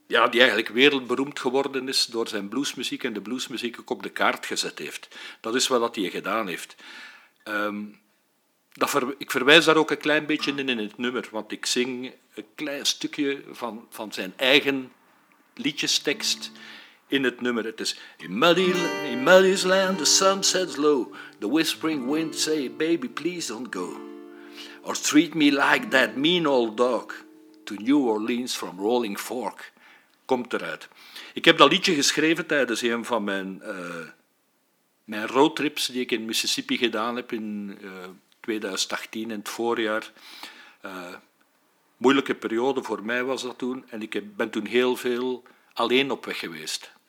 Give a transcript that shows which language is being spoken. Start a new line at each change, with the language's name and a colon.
Dutch: die eigenlijk wereldberoemd geworden is door zijn bluesmuziek en de bluesmuziek ook op de kaart gezet heeft. Dat is wat hij gedaan heeft. Ik verwijs daar ook een klein beetje in het nummer, want ik zing een klein stukje van zijn eigen liedjestekst in het nummer. Het is...
English: In Muddy's land, the sun sets low. The whispering winds say, baby, please don't go. Or treat me like that mean old dog to New Orleans from Rolling Fork.
Dutch: Komt eruit. Ik heb dat liedje geschreven tijdens een van mijn roadtrips die ik in Mississippi gedaan heb in 2018, in het voorjaar. Moeilijke periode voor mij was dat toen. En ik ben toen heel veel alleen op weg geweest.